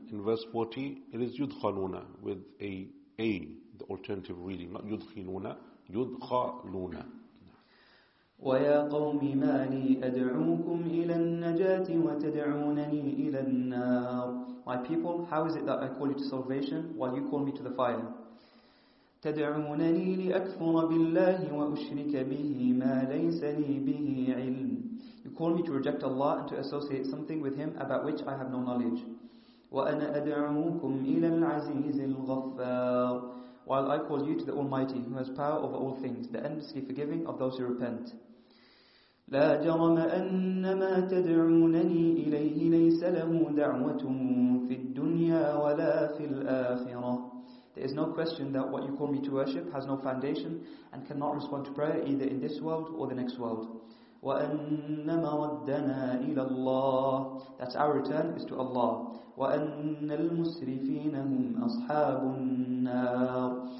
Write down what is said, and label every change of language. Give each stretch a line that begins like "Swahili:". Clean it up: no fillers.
English: In verse 40, it is يُدْخَلُونَ with a, the alternative reading, not يُدْخِلُونَ, يُدْخَلُونَ.
Arabic: وَيَا قَوْمِ مَا لِي أَدْعُوكُمْ إِلَى النَّجَاةِ وَتَدْعُونَنِي إِلَى النَّارِ.
English: My people, how is it that I call you to salvation while you call me to the fire?
Arabic: تدعونني لأكفر بالله وأشرك به ما ليس لي به علم.
English: You call me to reject Allah and to associate something with Him about which I have no knowledge.
Arabic: وأنا أدعوكم إلى العزيز الغفار.
English: While I call you to the Almighty who has power over all things, the endlessly forgiving of those who repent.
Arabic: لا جرم أن ما تدعونني إليه ليس له دعوة في الدنيا ولا في الآخرة.
English: There is no question that what you call me to worship has no foundation and cannot respond to prayer either in this world or the next world.
Arabic: وَأَنَّ مَرَدَّنَا إِلَى اللَّهِ.
English: That our return is to Allah.
Arabic: وَأَنَّ الْمُسْرِفِينَ هُمْ أَصْحَابُ النَّارِ.